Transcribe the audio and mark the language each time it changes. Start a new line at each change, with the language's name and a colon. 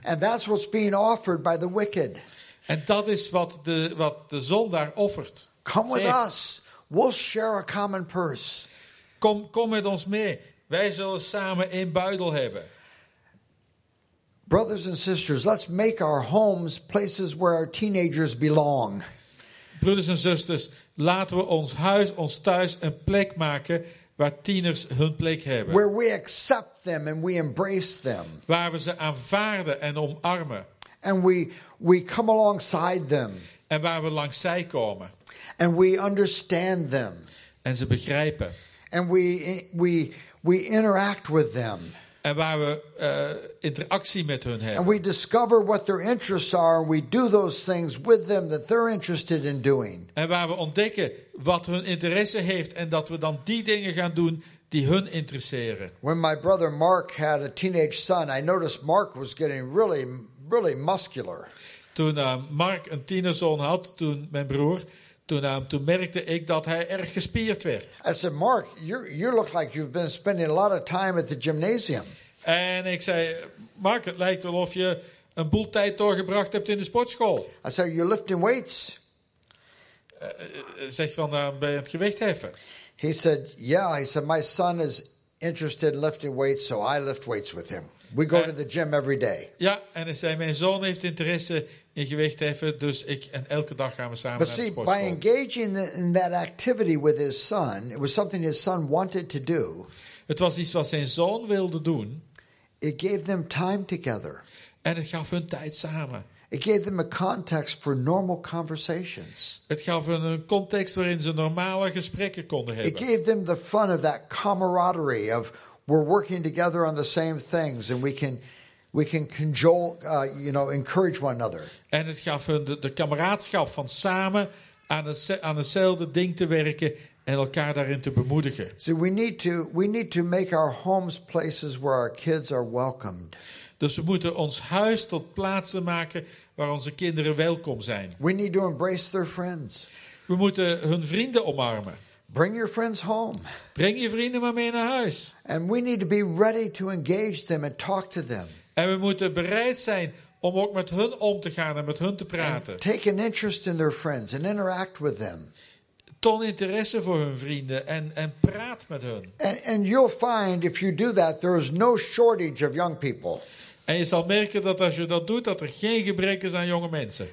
English: And that's what's being offered by the wicked.
Dutch: En dat is wat de zondaar offert.
English: Come with us. We'll share a common purse.
Dutch: Kom met ons mee. Wij zullen samen één buidel hebben.
English: Brothers and sisters, let's make our homes places where our teenagers belong.
Dutch: Broeders en zusters, laten we ons huis, ons thuis, een plek maken waar tieners hun plek hebben.
English: Where we accept them and we embrace them.
Dutch: Waar we ze aanvaarden en omarmen.
English: And we come alongside them.
Dutch: En waar we langs zij komen.
English: And we understand them.
Dutch: En ze begrijpen.
English: And we interact with them.
Dutch: En waar we interactie met hun hebben.
English: And we discover what their interests are. We do those things with them that they're interested in doing.
Dutch: En waar we ontdekken wat hun interesse heeft en dat we dan die dingen gaan doen die hun interesseren.
English: When my brother Mark had a teenage son, I noticed Mark was getting really, really muscular.
Dutch: Toen Mark een tienerzoon had, toen mijn broer, toen merkte ik dat hij erg gespierd werd.
English: I said, Mark, you look like you've been spending a lot of time at the gymnasium.
Dutch: En ik zei, Mark, het lijkt wel of je een boel tijd doorgebracht hebt in de sportschool.
English: I said, you're lifting weights.
Dutch: Zegt van, ben je het gewicht heffen?
English: He said, yeah. He said, my son is interested in lifting weights, so I lift weights with him. We go to the gym every day.
Dutch: Ja, en hij zei, mijn zoon heeft interesse in gewicht heffen, dus ik en elke dag gaan we samen
English: But
Dutch: naar de sportschool.
English: By engaging in that activity with his son, it was something his son wanted to do.
Dutch: Het was iets wat zijn zoon wilde doen.
English: It gave them time together.
Dutch: En het gaf hun tijd samen.
English: It gave them a context for normal conversations.
Dutch: Het gaf hun een context waarin ze normale gesprekken konden hebben.
English: It gave them the fun of that camaraderie of we're working together on the same things and we can cajole, encourage one another.
Dutch: En het gaf hun de kameraadschap van samen aan hetzelfde ding te werken en elkaar daarin te bemoedigen.
English: So we need to make our homes places where our kids are welcomed.
Dutch: Dus we moeten ons huis tot plaatsen maken waar onze kinderen welkom zijn.
English: We need to embrace their friends.
Dutch: We moeten hun vrienden omarmen.
English: Bring your friends home.
Dutch: Breng je vrienden maar mee naar huis.
English: And we need to be ready to engage them and talk to them.
Dutch: En we moeten bereid zijn om ook met hun om te gaan en met hun te praten.
English: And take an interest in their friends and interact with them.
Dutch: Toon interesse voor hun vrienden en praat met hun.
English: And you'll find if you do that there is no shortage of young people.
Dutch: En je zal merken dat als je dat doet, dat er geen gebrek is aan jonge mensen.